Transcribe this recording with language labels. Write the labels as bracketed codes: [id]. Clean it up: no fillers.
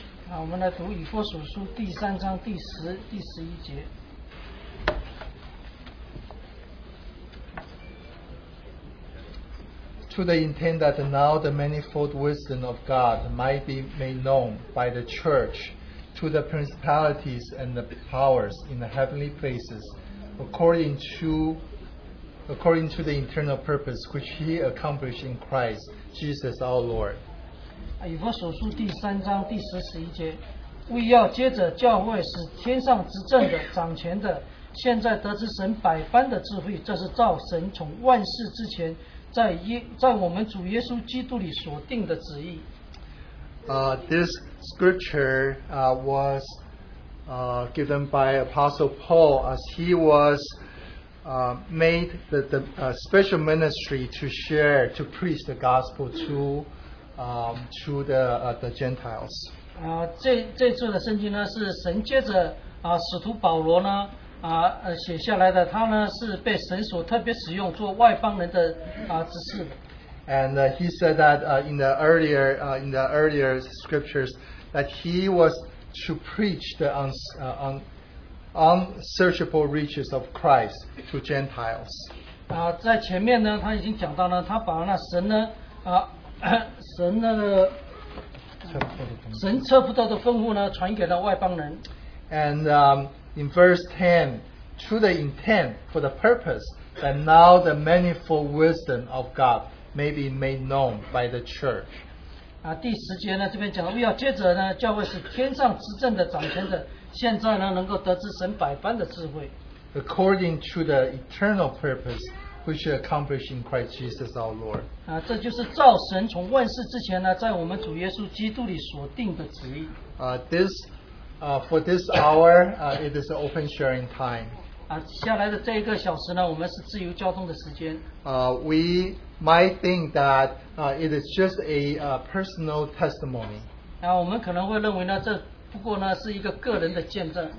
[zh] 我们来读以弗所书第三章第十、第十一节。 [en] To the intent that now the manifold wisdom of God might be made known by the church to the principalities and the powers in the heavenly places, according to the eternal purpose which He accomplished in Christ Jesus our Lord. [zh] 以弗所书第三章第十十一节，为要接着教会使天上执政的、掌权的，现在得知神百般的智慧，这是照神从万事之前，在我们主耶稣基督里所定的旨意。 [en] This scripture was given by Apostle Paul as he was made the special ministry to share to preach the gospel to. To the Gentiles. [zh] 这次的圣经呢是神接着使徒保罗呢写下来的，他呢是被神所特别使用做外邦人的执事。 [en] And he said that in the earlier scriptures that he was to preach the unsearchable riches of Christ to Gentiles. [zh] 在前面呢，他已经讲到了，他把那神呢神那个神测不到的丰富呢，传给了外邦人。 [en] And in verse 10, to the intent for the purpose that now the manifold wisdom of God may be made known by the church. [zh] 第十节呢，这边讲为要接着呢，教会是天上执政的、掌权的，现在呢能够得知神百般的智慧。 [en] According to the eternal purpose. Which is accomplished in Christ Jesus our Lord. [zh] 这就是照神从万事之前呢，在我们主耶稣基督里所定的旨意。 [en] For this hour, it is an open sharing time. [zh] 下来的这一个小时呢，我们是自由交通的时间。 [en] We might think that it is just a personal testimony. [zh] 我们可能会认为呢，这不过呢是一个个人的见证。